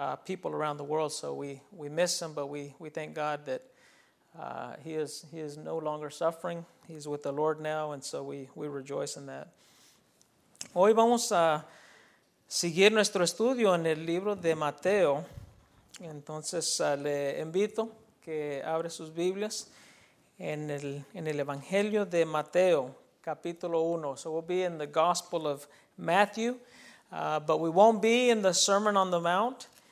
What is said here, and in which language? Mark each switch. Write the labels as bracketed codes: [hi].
[en] people around the world. So we miss him, but we thank God that he is no longer suffering. He's with the Lord now, and so we rejoice in that. [es] Hoy vamos a seguir nuestro estudio en el libro de Mateo. Entonces le invito que abra sus Biblias en el Evangelio de Mateo, capítulo 1. [en] So we'll be in the Gospel of Matthew, but we won't be in the Sermon on the Mount.